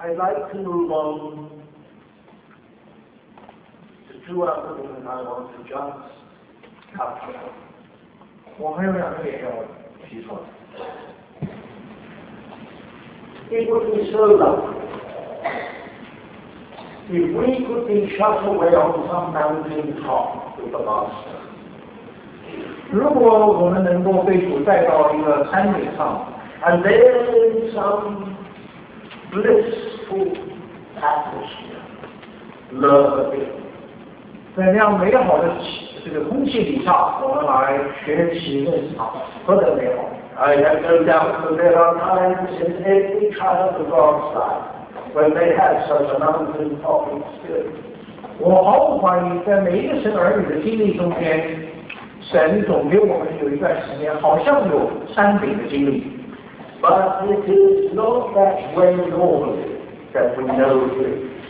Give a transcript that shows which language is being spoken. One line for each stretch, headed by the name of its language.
English: I'd like to move on to two other things I want to just capture.
Chinese: 我还有两个点要提出来。
English: It would be so lovely. If we could be shut away on some mountain top with the Master,
Chinese: 如果我们能够被主带到一个山顶上
English: ，and there in some blissful atmosphere, love again,
Chinese: 在那样美好的这个空气底下，我们来学习认识他，何等美好
English: ！I have no doubt that there are times in every child of God's life. When they have such a mountain top experience,
Chinese: 我毫无怀疑，在每一个神儿女的经历中间，神总给我们有一段时间，好像有山顶的经历。
English: But it is not that way normally that we know it.